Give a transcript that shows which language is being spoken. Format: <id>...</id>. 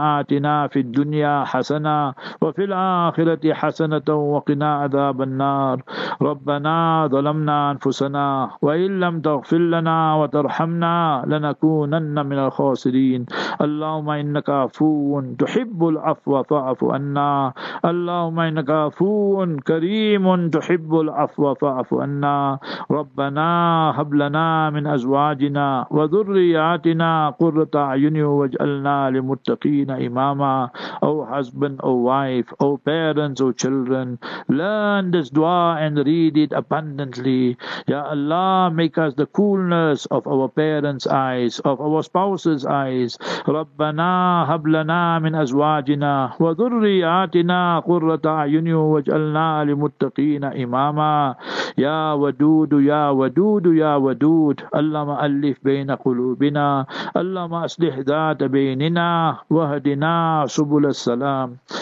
<ar>آتنا في الدنيا حسنة وفي الآخرة حسنة وقنا عذاب النار ربنا ظلمنا أنفسنا وإن لم تغفر لنا وترحمنا لنكونن من الخاسرين اللهم إنك عفو تحب العفو فاعف عنا اللهم إنك عفو كريم تحب العفو فاعف عنا ربنا هب لنا من أزواجنا وذرياتنا قرة أعين واجعلنا للمتقين إماما أو</ar> <en>husband</en> <ar>أو</ar> <en>wife</en> <ar>أو</ar> <en>parents</en> <ar>أو</ar> <en>children. Learn this dua and read it abundantly. Ya Allah, make us the coolness of our parents' eyes, of our spouses' eyes.</en> <ar>ربنا هب لنا من أزواجنا وذرياتنا قرة أعين واجعلنا للمتقين إماما. يا ودود يا ودود يا ودود اللهم ألف بين قلوبنا اللهم أصلح ذات بيننا واهدنا سبل السلام</ar>